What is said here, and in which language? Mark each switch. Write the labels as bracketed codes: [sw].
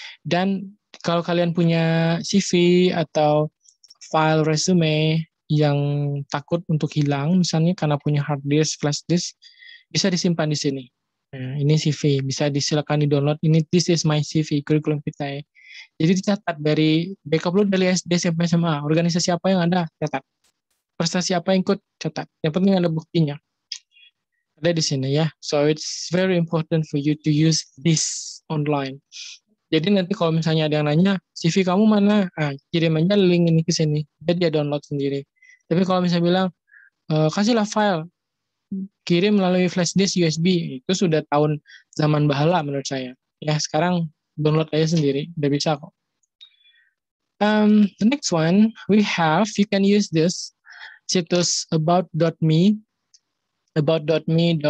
[id] Dan kalau kalian punya CV atau file resume yang takut untuk hilang, misalnya karena punya hard disk, flash disk, bisa disimpan di sini. Nah, ini CV, bisa disilakan di-download. Ini, [en] this is my CV, [id] curriculum vitae. Jadi dicatat dari backup lo dari SD, SMP, SMA, organisasi apa yang ada, catat. Prestasi apa yang ikut, catat. Yang penting ada buktinya. Ada di sini ya. [en] So it's very important for you to use this online. [id] Jadi nanti kalau misalnya ada yang nanya, CV kamu mana? Ah, kirimannya link ini ke sini. Jadi dia download sendiri. Tapi kalau misalnya bilang, kasihlah file. Kirim melalui flash disk USB. Itu sudah tahun zaman bahala menurut saya. Ya, sekarang download aja sendiri. Udah bisa kok. [en] The next one we have, you can use this situs about.me. About.me.